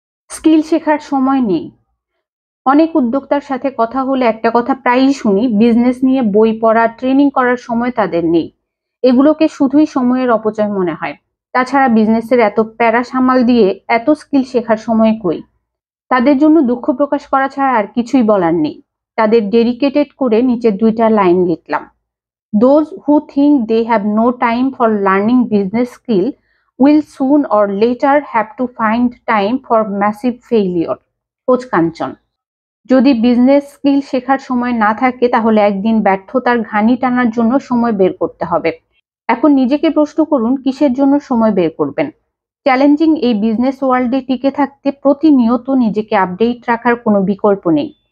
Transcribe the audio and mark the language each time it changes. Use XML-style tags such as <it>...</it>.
<bn>Skill শেখার সময় নেই। অনেক উদ্যোক্তার সাথে কথা হলে একটা কথা প্রায়ই শুনি, বিজনেস নিয়ে বই পড়া ট্রেনিং করার সময় তাদের নেই। এগুলোকে শুধুই সময়ের অপচয় মনে হয়। তাছাড়া বিজনেসের এত প্যারা সামাল দিয়ে এত স্কিল শেখার সময় কই? তাদের জন্য দুঃখ প্রকাশ করা ছাড়া আর কিছুই বলার নেই। তাদের ডেডিকেটেড করে নিচে 2টা লাইন লিখলাম।</bn> <en>Those who think they have no time for learning business skill will soon or later have to find time for massive failure.</en> <bn>Coach কাঞ্চন। যদি বিজনেস স্কিল শেখার সময় না থাকে তাহলে একদিন ব্যর্থতার ঘানি টানার জন্য সময় বের করতে হবে। এখন নিজেকে প্রশ্ন করুন, কিসের জন্য সময় বের করবেন? চ্যালেঞ্জিং এই বিজনেস ওয়ার্ল্ডে টিকে থাকতে প্রতিনিয়ত নিজেকে আপডেট রাখার কোনো বিকল্প নেই।</bn>